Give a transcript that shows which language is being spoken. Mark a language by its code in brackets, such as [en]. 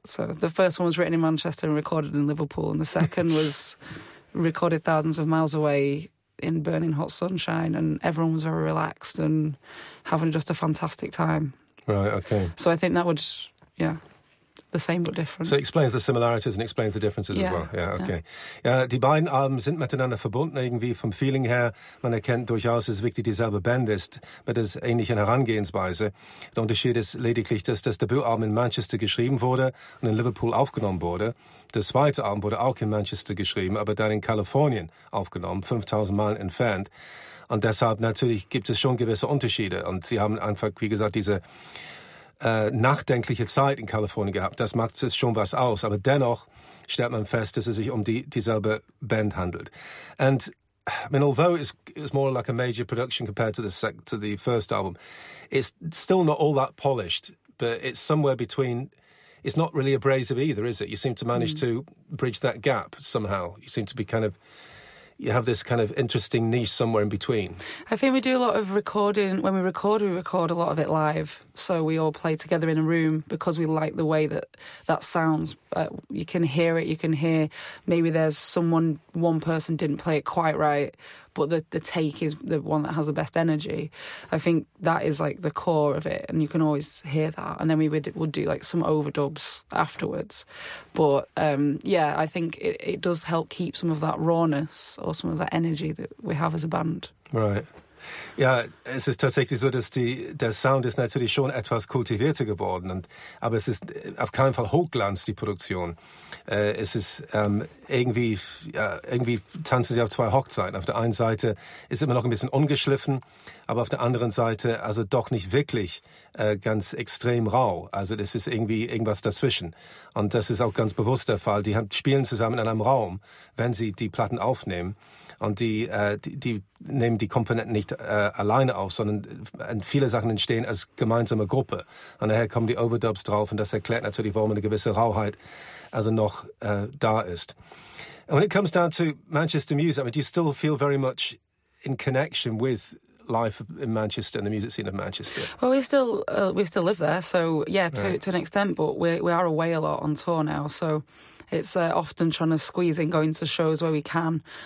[en] So the first one was written in Manchester and recorded in Liverpool, and the second was recorded thousands of miles away in burning hot sunshine, and everyone was very relaxed and having just a fantastic time. Right, okay. So I think that would, yeah, the same but different. So it explains the similarities and explains the differences, yeah, as well. Yeah, okay. Yeah. [de] Die beiden Alben sind miteinander verbunden, irgendwie vom Feeling her. Man erkennt durchaus, es ist wirklich dieselbe Band ist, mit der ähnlichen Herangehensweise. Der Unterschied ist lediglich, dass das Debütalbum in Manchester geschrieben wurde und in Liverpool aufgenommen wurde. Das zweite Album wurde auch in Manchester geschrieben, aber dann in Kalifornien aufgenommen, 5000 Meilen entfernt. Und deshalb natürlich gibt es schon gewisse Unterschiede. Und sie haben einfach, wie gesagt, diese nachdenkliche Zeit in Kalifornien gehabt. Das macht es schon was aus. Aber dennoch stellt man fest, dass es sich um dieselbe Band handelt. [en] And I mean, although it's more like a major production compared to the first album, it's still not all that polished, but it's somewhere between. It's not really abrasive either, is it? You seem to manage to bridge that gap somehow. You seem to be kind of, you have this kind of interesting niche somewhere in between. I think we do a lot of recording. When we record a lot of it live. So we all play together in a room because we like the way that sounds. You can hear it. You can hear maybe there's someone, one person didn't play it quite right, but the take is the one that has the best energy. I think that is like the core of it, and you can always hear that. And then we would do like some overdubs afterwards. But yeah, I think it does help keep some of that rawness or some of that energy that we have as a band. Right. [de] Ja, es ist tatsächlich so, dass der Sound ist natürlich schon etwas kultivierter geworden, aber es ist auf keinen Fall Hochglanz, die Produktion. Es ist irgendwie tanzen sie auf zwei Hochzeiten. Auf der einen Seite ist immer noch ein bisschen ungeschliffen, aber auf der anderen Seite also doch nicht wirklich ganz extrem rau. Also das ist irgendwie irgendwas dazwischen. Und das ist auch ganz bewusst der Fall. Die spielen zusammen in einem Raum, wenn sie die Platten aufnehmen. Und die nehmen die Komponenten nicht alleine auf, sondern viele Sachen entstehen als gemeinsame Gruppe. Und daher kommen die Overdubs drauf, und das erklärt natürlich, warum eine gewisse Rauheit also noch da ist. [en] And when it comes down to Manchester music, I mean, do you still feel very much in connection with life in Manchester and the music scene of Manchester? Well, we still live there, so yeah, to an extent, but we are away a lot on tour now, so it's often trying to squeeze in going to shows where we can.